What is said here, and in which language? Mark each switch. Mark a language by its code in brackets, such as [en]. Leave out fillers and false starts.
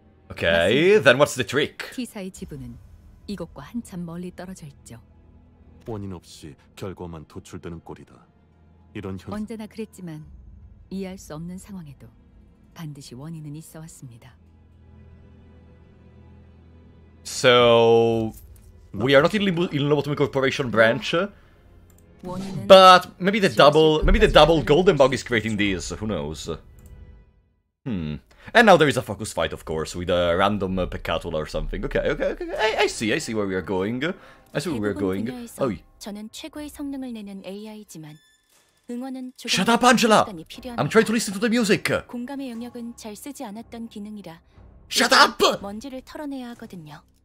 [en] Okay, then what's the trick? [ko] 티사의 지부는 이곳과 한참 멀리 떨어져 있죠. 원인 없이 결과만 도출되는 꼴이다. 이런 현 언제나 그랬지만 이해할 수 없는 상황에도 반드시 원인은 있어 왔습니다. [en] So we are not in Lobotomy Corporation branch. But maybe the double golden bug is creating this, who knows. And now there is a focus fight, of course, with a random peccatula or something. Okay. I see where we are going. Oh. [ko] 저는 최고의 성능을 내는 AI지만 응원은 조금 [en] Shut up, Angela. I'm trying to listen to the music. [ko] 공감의 영역은 잘 쓰지 않았던 기능이라 [en] Shut up. [ko] 먼지를 털어내야 하거든요.